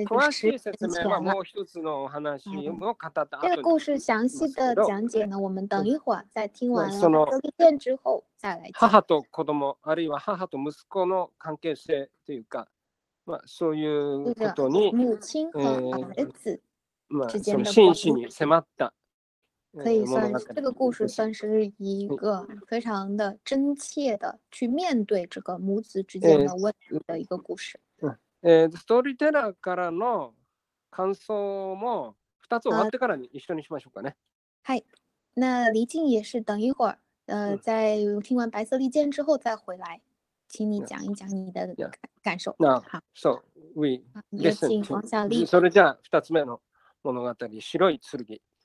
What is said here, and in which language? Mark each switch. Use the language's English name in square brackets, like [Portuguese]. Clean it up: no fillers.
[Chinese] 这个故事详细的讲解呢，我们等一会儿再听完了隔壁店之后再来讲。 [Japanese] 母と子供、あるいは母と息子の関係性というか、まあそういうことに、 [Chinese] 母亲和儿子之间的关 [Japanese] 系。まあ真摯に迫った。 [Chinese] 可以算是这个故事算是一个非常的真切的去面对这个母子之间的问题的一个故事。 [Japanese] ストーリーテラーからの感想も2つ終わってからに一緒にしましょうかね。はい。 [Chinese] 那李静也是等一会儿在听完白色利剑之后再回来，请你讲一讲你的 感受。那好 [English] ，So we listen to. [Japanese] 那二つ目の物語、白い剣。